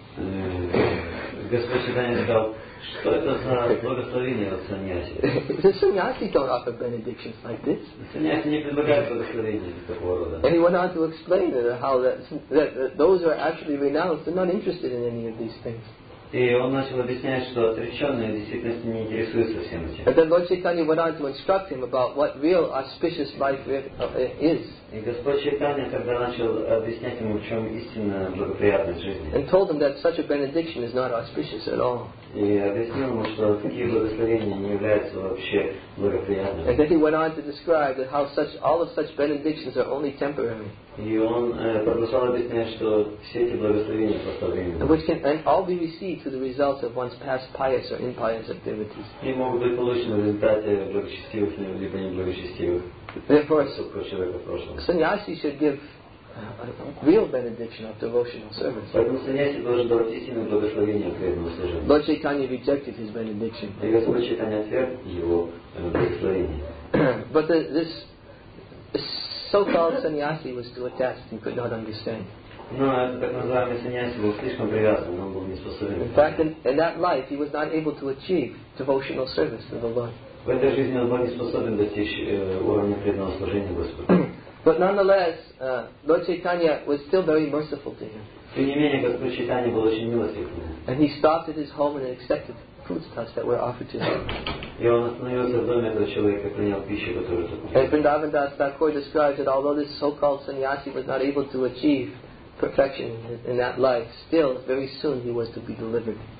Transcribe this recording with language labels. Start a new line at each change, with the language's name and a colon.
English: The sannyasi don't offer benedictions like this. And he went on to explain how that those who are actually renounced are not interested in any of these things.
Russian: И он начал объяснять, что отреченные в действительности не интересуются всем этим.
English: And then Lord Chaitanya went on to instruct him about what real auspicious life is.
Russian: И Господь Чайтанья тогда начал объяснять ему, в чем истинно благоприятность жизни.
English: And told him that such a benediction is not auspicious at all.
Russian: И объяснил ему, что такие благословения не являются вообще благоприятными.
English: And then he went on to describe that how such all of such benedictions are only temporary.
Russian: И он продолжал объяснять, что все эти благословения просто временные.
English: Which can and all be received through the results of one's past pious or impious activities.
Russian: И могут быть получены в результате благочестивых либо неблагочестивых.
English: Therefore, sannyasi should give a real benediction of devotional service.
Russian: Поэтому sannyasi должен давать истинное благословение преданному служению.
English: Lord Chaitanya rejected his benediction.
Russian: И Господь Чайтанья отверг его благословение.
English: But this so-called sannyasi was too attached and could not understand.
Russian: Но этот так называемый sannyasi был слишком привязан, он был не способен.
English: In fact, in that life, he was not able to achieve devotional service to the Lord.
Russian: В этой жизни он был не способен достичь уровня преданного служения Господу.
English: But nonetheless, Lord Chaitanya was still very merciful to him.
Russian: Тем не менее, Господь Чайтанья был очень милостив к нему.
English: And he stopped at his home and accepted foodstuffs that were offered to him. As Vrindavan Das Thakur describes it, although this so-called sannyasi was not able to achieve perfection in that life, still very soon he was to be delivered.